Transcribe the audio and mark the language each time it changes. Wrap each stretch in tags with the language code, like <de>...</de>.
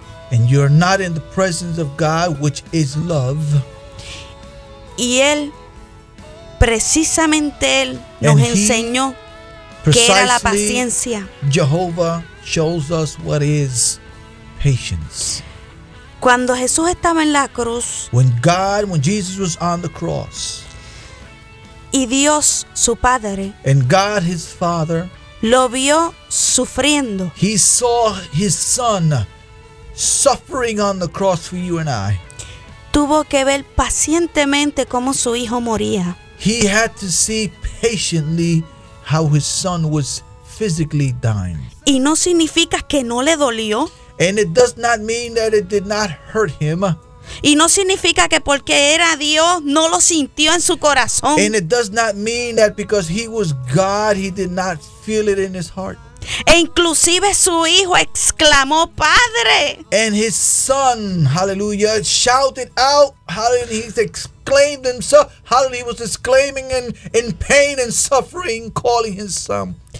<en>And you're not in the presence of God, which is love.</en> <es>Y él, precisamente él, nos enseñó que era la paciencia.</es> <en>Jehovah shows us what is patience.</en> <es>Cuando Jesús estaba en la cruz,</es> <en>when Jesus was on the cross,</en> <es>y Dios, su Padre,</es> <en>and God, his Father,</en> <es>lo vio sufriendo.</es> <en>He saw his Son suffering on the cross for you and I.</en> <es>Tuvo que ver pacientemente cómo su hijo moría.</es> <en>He had to see patiently how his son was physically dying.</en> <es>Y no significa que no le dolió.</es> <en>And it does not mean that it did not hurt him.</en> <es>Y no significa que porque era Dios no lo sintió en su corazón.</es> <en>And it does not mean that because he was God he did not feel it in his heart.</en> <es>E inclusive su hijo exclamó, Padre.</es> <en>And his son, hallelujah, shouted out, hallelujah, he's exclaimed himself, hallelujah, he was exclaiming in pain and suffering, calling his son.</en>